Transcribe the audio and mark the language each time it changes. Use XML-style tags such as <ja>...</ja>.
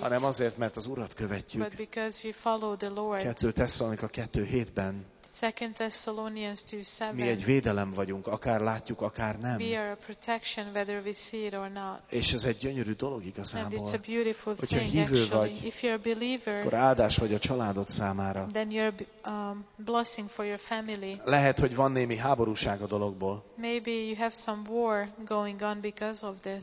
<hu>hanem azért, mert az Urat követjük.</hu> <en>But because we follow the Lord.</en> <hu>2 Thessalonica 2:7-ben.</hu> <en>Second Thessalonians 2:7.</en> <hu>Mi egy védelem vagyunk, akár látjuk, akár nem.</hu> <en>We are a protection, whether we see it or not.</en> <hu>És ez egy gyönyörű dolog igazából.</hu> <en>And it's a beautiful thing,</en> <hu>hogyha hívő vagy,</hu> <en>if you're a believer,</en> <hu>akkor áldás vagy a családod számára.</hu> <en>Then you're blessing for your family.</en> <hu>Lehet, hogy van némi háború. A dologból.</hu> <en>Maybe you have some war going on because of this.</en>